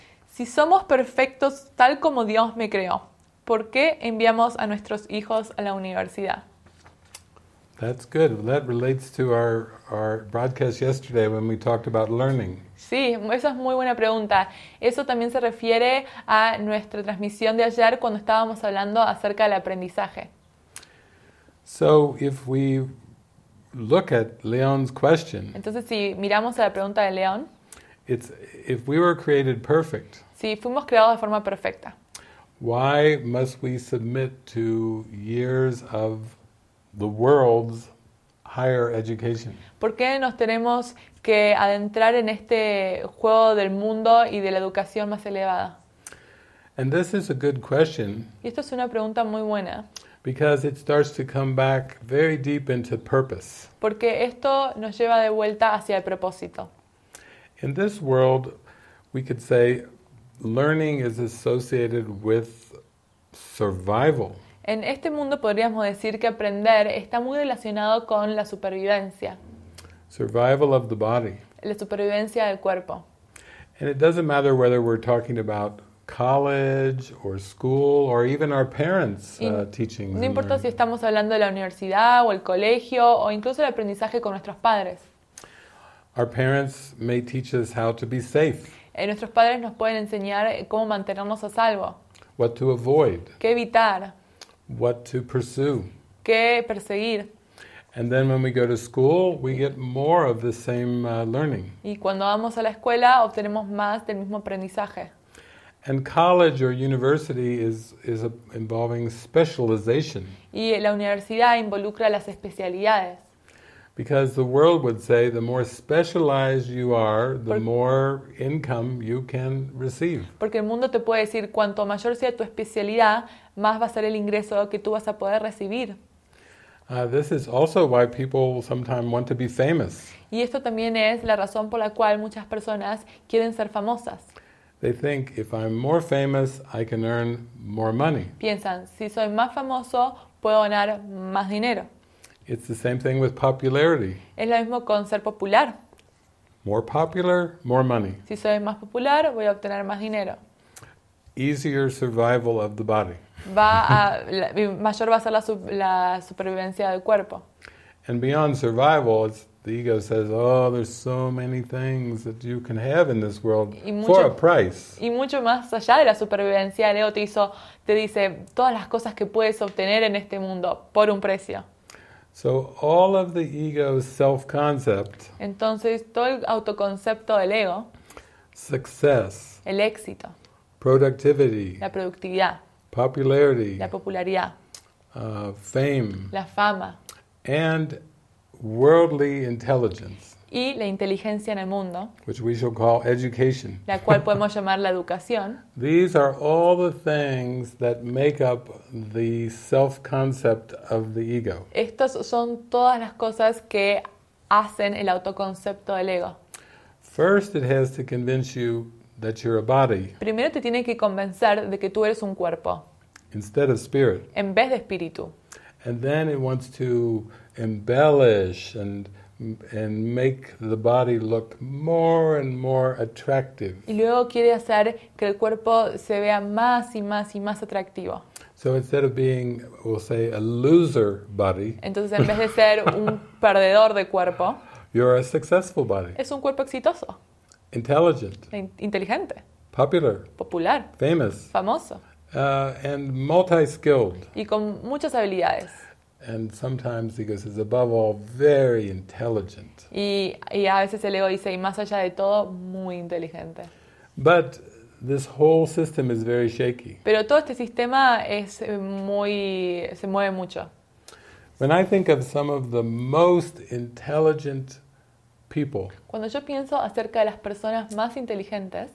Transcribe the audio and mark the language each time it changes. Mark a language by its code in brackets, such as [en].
[es] Si somos perfectos tal como Dios me creó, ¿por qué enviamos a nuestros hijos a la universidad? [en] That's good. That relates to our broadcast yesterday when we talked about learning. [es] Sí, esa es muy buena pregunta. Eso también se refiere a nuestra transmisión de ayer cuando estábamos hablando acerca del aprendizaje. [en] So if we look at Leon's question. [es] Entonces si miramos a la pregunta de Leon. [en] It's if we were created perfect. [es] Si fuimos creados de forma perfecta. [en] Why must we submit to years of the world's higher education? [es] ¿Por qué nos tenemos que adentrar en este juego del mundo y de la educación más elevada? [en] And this is a good question. [es] Y esto es una pregunta muy buena. [en] Because it starts to come back very deep into purpose. [es] Porque esto nos lleva de vuelta hacia el propósito. [en] In this world, we could say learning is associated with survival. [es] En este mundo podríamos decir que aprender está muy relacionado con la supervivencia. [en] Survival of the body. [es] La supervivencia del cuerpo. [en] And it doesn't matter whether we're talking about college or school or even our parents teaching. [es] No importa si estamos hablando de la universidad o el colegio o incluso el aprendizaje con nuestros padres. [en] Our parents may teach us how to be safe. [es] Nuestros padres nos pueden enseñar cómo mantenernos a salvo. [en] What to avoid. [es] Qué evitar. [en] What to pursue. [es] Qué perseguir. [en] And then when we go to school, we get more of the same learning. [es] Y cuando vamos a la escuela obtenemos más del mismo aprendizaje. [en] And college or university is involving specialization. [es] Y la universidad involucra las especialidades. [en] Because the world would say the more specialized you are, the more income you can receive. [es] Porque el mundo te puede decir cuanto mayor sea tu especialidad, más va a ser el ingreso que tú vas a poder recibir. [en] This is also why people sometimes want to be famous. [es] Y esto también es la razón por la cual muchas personas quieren ser famosas. [en] They think if I'm more famous, I can earn more money. [es] Piensan, si soy más famoso, puedo ganar más dinero. [en] It's the same thing with popularity. [es] Es lo mismo con ser popular. [en] More popular, more money. [es] Si soy más popular, voy a obtener más dinero. [en] Easier survival of the body. [es] mayor va a ser la supervivencia del cuerpo. [en] And beyond survival, the ego says, oh, there's so many things that you can have in this world for a price. [es] Y mucho más allá de la supervivencia, el ego te dice, todas las cosas que puedes obtener en este mundo por un precio. [en] So all of the ego's self-concept. [es] Entonces, todo el autoconcepto del ego. [en] Success. [es] El éxito. [en] Productivity. [es] La productividad. [en] Popularity. [es] La popularidad. [en] Fame. [es] La fama. [en] And worldly intelligence. [es] Y la inteligencia en el mundo. [en] Which we shall call education. [es] La cual podemos llamar la educación. [en] These are all the things that make up the self-concept of the ego. [es] Estas son todas las cosas que hacen el autoconcepto del ego. [en] First, it has to convince you that you're a body. [es] Primero te tiene que convencer de que tú eres un cuerpo. [en] Instead of spirit. [es] En vez de espíritu. [en] And then it wants to embellish and make the body look more and more attractive. [es] Y luego quiere hacer que el cuerpo se vea más y más y más atractivo. [en] So instead of being, we'll say, a loser body. [es] Entonces, en vez de ser un perdedor de cuerpo. [en] You're a successful body. [es] Es un cuerpo exitoso. [en] Intelligent. [es] Inteligente. [en] Popular. [es] Popular. [en] Famous. [es] Famoso. [en] And multi-skilled. [es] Y con muchas habilidades. [en] And sometimes he goes, it's above all very intelligent. [es] Y a veces el ego dice, y más allá de todo, muy inteligente. [en] But this whole system is very shaky. [es] Pero todo este sistema es muy, se mueve mucho. [en] When I think of some of the most intelligent people, [es] cuando yo pienso acerca de las personas más inteligentes,